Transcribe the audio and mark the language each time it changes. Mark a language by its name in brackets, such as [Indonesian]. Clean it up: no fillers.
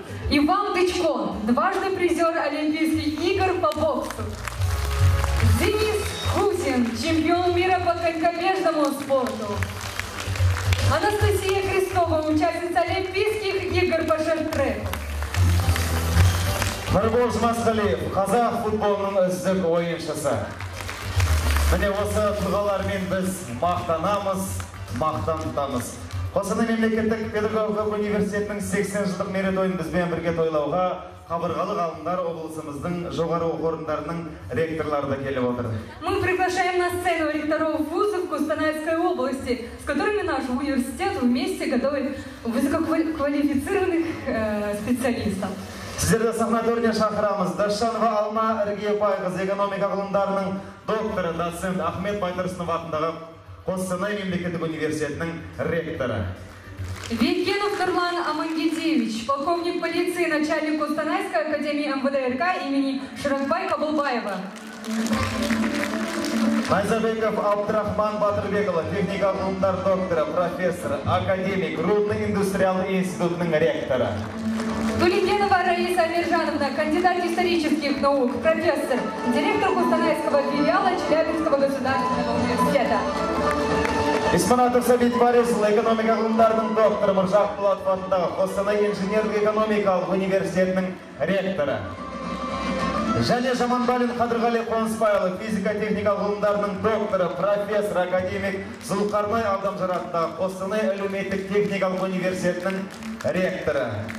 [Russian] Иван Дычко, дважды призер Олимпийских игр по боксу. Денис Кусин, чемпион мира по конькобежному спорту. Анастасия Христова, участница Олимпийских игр по шорт-треку. [Kazakh] Нарбуз Масқалиев, қазақ футболының үздік ойыншысы. Міне осы тұлғалармен біз мақтанамыз, мақтанамыз. Қостанай мемлекеттік педагогикалық университетінің 80 жылдық мерейтойын бізбен бірге тойлауға қабырғалы ғалымдар облысымыздың жоғары оқу орындарының ректорлары да келіп отыр. [Russian] Мы приглашаем на сцену ректоров вузов Костанайской области, с которыми наш университет вместе готовит высококвалифицированных специалистов. [Kazakh] Сіздерді сахна төріне шақырамыз. Дашанова Алма Іргебайқызы, экономика ғылымдарының докторы, доцент Ахмет Байтұрсынов атындағы Қостанай мемлекеттік университетінің ректоры. [Russian] Виткенов Нурлан Амангельдиевич, полковник полиции, начальник Костанайской академии МВД РК имени Широкбай Кабылбаева. [Kazakh] Майзабеков Абдрахман Батырбекова, техника ғылымдар доктора, профессор, академик, Рудный индустриалный институтның ректора. [Russian] Тулекенова Раиса Амиржановна, кандидат исторических наук, профессор, директор Костанайского филиала Челябинского государственного университета. [Kazakh] Исманатов Сабит Борисов, экономика ғылымдарының докторы, Мұржақ Пулатов атындағы Қостанай инженерлік экономикалық университетінің ректоры. Және Жаманбалин Қадырғали Қонысбайұлы, физика-техника ғылымдарының докторы, профессор, академик, Зұлқарнай Абдамжар атындағы Қостанай әлеуметтік техникалық университетінің ректоры.